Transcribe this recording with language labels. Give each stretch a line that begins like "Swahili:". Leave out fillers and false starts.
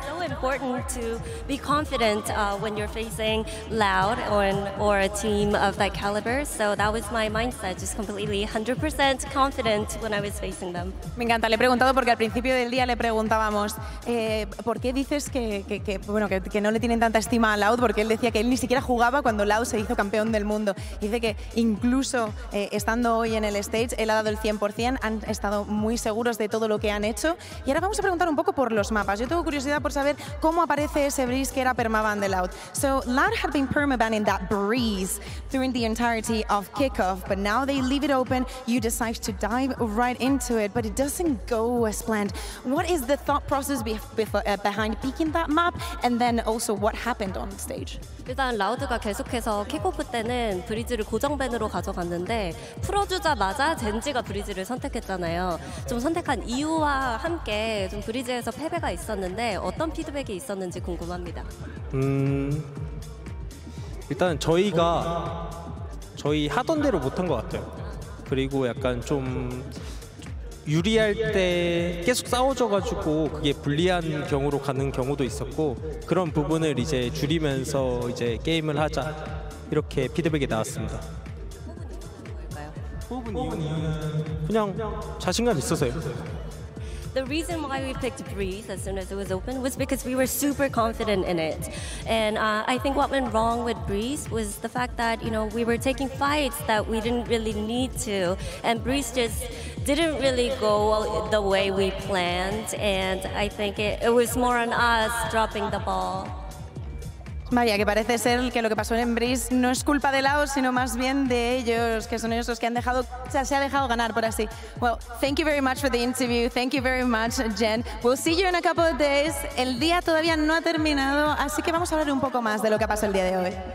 English: Important to be confident when you're facing Loud or a team of that caliber. So that was my mindset, just completely 100% confident when I was facing them.
Spanish: Me encanta. Le he preguntado porque al principio del día le preguntábamos por qué dices que no le tienen tanta estima a Loud, porque él decía que él ni siquiera jugaba cuando Loud se hizo campeón del mundo. Dice que incluso estando hoy en el stage, él ha dado el 100%, han estado muy seguros de todo lo que han hecho. Y ahora vamos a preguntar un poco por los mapas. Yo tengo curiosidad por saber cómo aparece ese breeze que era permaban de Loud.
English: So Loud had been permabanning that breeze during the entirety of kickoff, but now they leave it open. You decide to dive right into it, but it doesn't go as planned. What is the thought process behind picking that map, and then also what happened on stage?
Korean: 일단 라우드가 계속해서 킥오프 때는 브리즈를 고정밴으로 가져갔는데 풀어주자마자 젠지가 브리즈를 선택했잖아요. 좀 선택한 이유와 함께 좀 브리즈에서 패배가 있었는데 어떤 피드백이 있었는지 궁금합니다. 일단 저희가 저희 하던 대로 못한 것 같아요. 그리고 약간 좀 유리할 때 계속 싸워져가지고 그게 불리한 경우로 가는 경우도 있었고 그런 부분을 이제 줄이면서 이제 게임을 하자 이렇게 피드백이 나왔습니다. 그냥 자신감 있어서요.
English: The reason why we picked Breeze as soon as it was open was because we were super confident in it. And I think what went wrong with Breeze was the fact that, we were taking fights that we didn't really need to. And Breeze just didn't really go the way we planned. And I think it was more on us dropping the ball.
Spanish: Vaya, que parece ser que lo que pasó en Breeze no es culpa de Lao, sino más bien de ellos, que son ellos los que han dejado, o sea, se ha dejado ganar, por así.
English: Well, thank you very much for the interview. Thank you very much, Jen. We'll see you in a couple of days.
Spanish: El día todavía no ha terminado, así que vamos a hablar un poco más de lo que pasó el día de hoy.